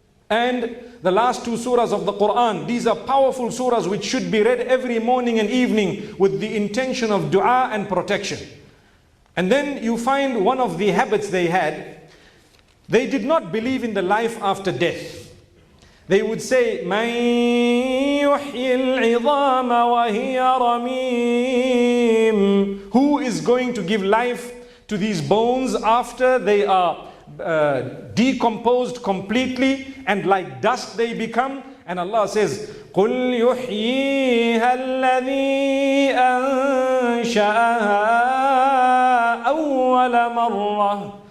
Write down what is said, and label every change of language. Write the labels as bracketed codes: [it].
[en] And the last two surahs of the Quran, these are powerful surahs which should be read every morning and evening with the intention of dua and protection. And then you find one of the habits they had. They did not believe in the life after death. They would say, [ar] مَن يُحْيِي الْعِظَامَ وَهِيَ رَمِيمٌ. [en] Who is going to give life to these bones after they are decomposed completely and like dust they become? And Allah says, [ar] قُلْ يُحْيِيهَا الَّذِي أَنْشَأَهَا أَوَّلَ مَرَّةٍ.